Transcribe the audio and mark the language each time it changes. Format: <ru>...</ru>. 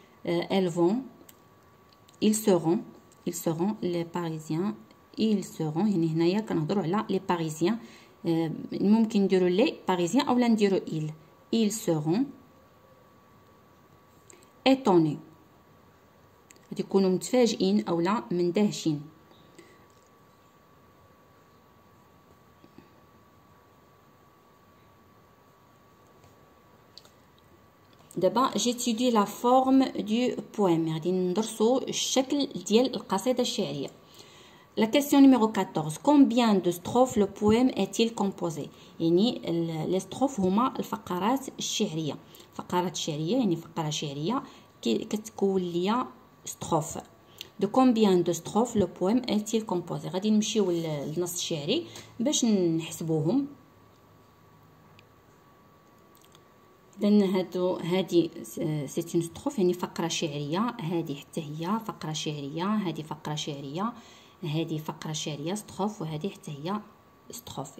<fr>Elles vont, ils seront les Parisiens, ils seront,</fr> <ar>يعني هنايا كنهضروا على</ar> <fr>les Parisiens,</fr> <ar>ممكن نديروا</ar> <fr>les Parisiens ou l'indiro ils, ils seront, étonné.</fr> <ar>غادي يكونوا متفاجئين أو لا مندهشين. دابا جيتيدي</ar> <fr>لا فورم دو بويم،</fr> <ar>غادي ندرسو الشكل ديال القصيدة الشعرية.</ar> <fr>La question numéro 14. Combien de strophes le poème est-il composé?</fr> <ar>يعني les strophes هما الفقرات الشعرية. فقرات شعرية يعني فقرة شعرية كتكون ليا strophes.</ar> <fr>De combien de strophes le poème est-il composé?</fr> <ar>غادي نمشيو للنص الشعري باش نحسبوهم. لأن هادو هادي</ar> <fr>سيت اون ستروف</fr> <ar>يعني فقرة شعرية، هادي حتى هي فقرة شعرية، هادي فقرة شعرية، هادي فقرة شعرية ستروف، وهادي حتى هي ستروف.</ar>